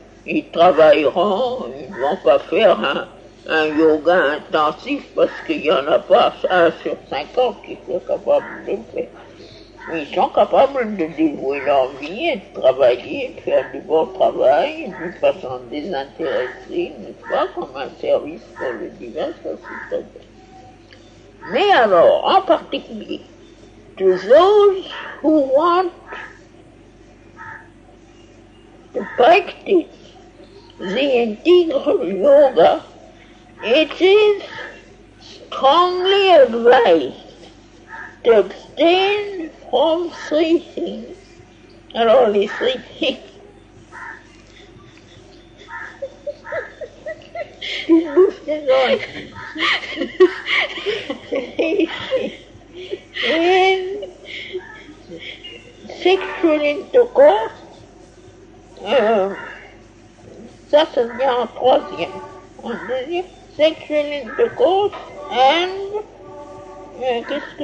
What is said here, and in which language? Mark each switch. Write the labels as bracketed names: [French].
[French] Ils travailleront, ils ne vont pas faire un yoga intensif parce qu'il n'y en a pas un sur 50 qui soit capable de le faire. ils sont capables de dévouer leur vie et de travailler, de faire du bon travail d'une façon désintéressée, n'est-ce pas, comme un service pour le divin, ça c'est très bien. Mais alors, en particulier, [English] to those who want to practice the integral yoga, it is strongly advised to abstain from three things, and only three things. In sexual intercourse, [French] ça, ça vient en troisième. En deuxième, [English] sexual intercourse and [French] qu'est-ce que